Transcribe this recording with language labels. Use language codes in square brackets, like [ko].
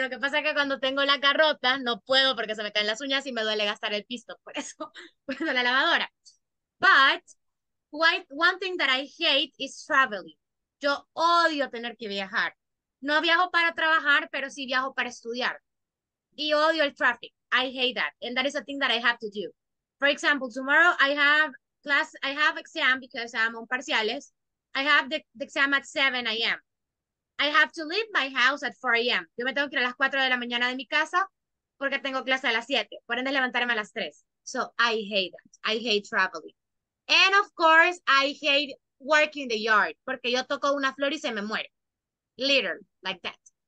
[es] Lo que pasa es que cuando tengo la carrota, no puedo porque se me caen las uñas y me duele gastar el pisto. Por eso, bueno, la lavadora. [en] But one thing that I hate is traveling. [es] Yo odio tener que viajar. No viajo para trabajar, pero sí viajo para estudiar. Y odio el traffic. [en] I hate that. And that is a thing that I have to do. For example, tomorrow I have class, I have exam because I'm on parciales. I have the exam at 7 a.m. I have to leave my house at 4 a.m. [es] Yo me tengo que ir a las 4 de la mañana de mi casa porque tengo clase a las 7. Por ende, levantarme a las 3. [en] So I hate that. I hate traveling. And of course, I hate working the yard [es] porque yo toco una flor y se me muere. [en] Literally, like that.